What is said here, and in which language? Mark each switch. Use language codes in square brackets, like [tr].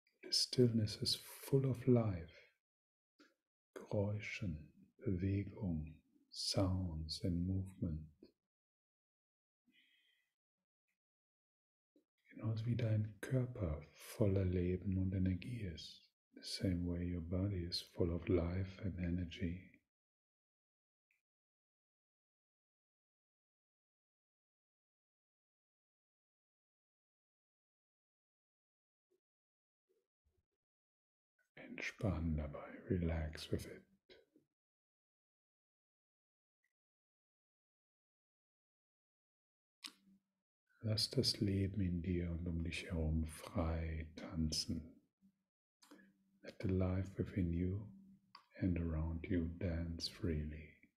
[en] The stillness is full of life. [de] Geräuschen, Bewegung, [en] Sounds and Movement. [de] Genauso wie dein Körper voller Leben und Energie ist. [en] The same way your body is full of life and energy. [de] Entspann dabei, [en] relax with it. [de] Lass das Leben in dir und um dich herum frei tanzen. [en] Let the life within you and around you dance freely.